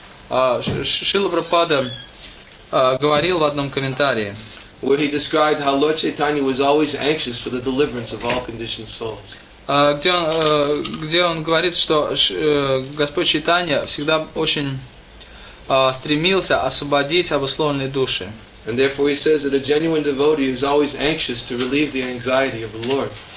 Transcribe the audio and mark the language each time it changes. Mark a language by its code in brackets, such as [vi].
[ru] Шрила Прабхупада говорил в одном комментарии. [en] Where he described how Lord Chaitanya was always anxious for the deliverance of all conditioned souls. [ru] Где он говорит, что Господь Чайтанья всегда очень стремился освободить обусловленные души. [en] And therefore he says that a genuine devotee is always anxious to relieve the anxiety of the Lord.